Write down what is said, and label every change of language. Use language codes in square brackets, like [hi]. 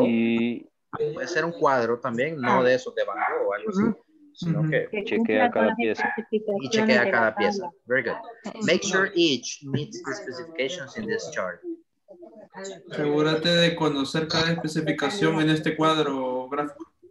[es] Puede ser un cuadro también, no de esos de banco o algo así, sino que chequea cada pieza. Y chequea cada pieza. [en] Very good. Make sure each meets the specifications in this chart. [es] Asegúrate de conocer cada especificación en este cuadro gráfico.